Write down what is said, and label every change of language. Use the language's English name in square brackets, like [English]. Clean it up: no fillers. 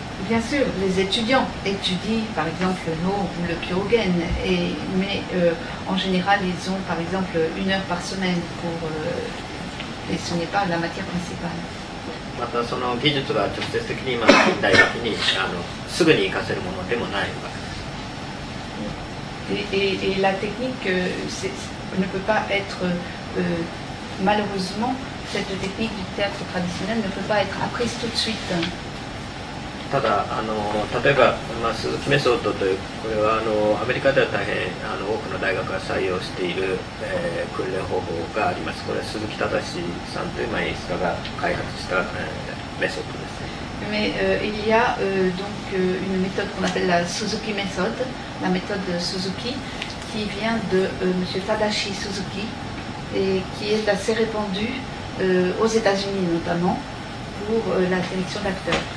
[French] Bien sûr, les étudiants étudient par exemple le Kyogen, mais en général ils ont par exemple une heure par semaine pour, et ce n'est pas la matière principale. [Japanese] またその技術は直接的に今大学にすぐに活かせるものでもないわけです。 [French] Et la technique ne peut pas être malheureusement cette technique du théâtre traditionnel ne peut pas être apprise tout de suite。 [Japanese] ただ例えば鈴木メソッドというこれはアメリカでは大変多くの大学が採用している、訓練方法があります。これは鈴木正さんという演出家が開発した、メソッドです。 [French] Mais il y a donc une méthode qu'on appelle la Suzuki méthode, la méthode Suzuki, qui vient de Monsieur Tadashi Suzuki et qui est assez répandue aux États-Unis notamment pour la direction d'acteurs.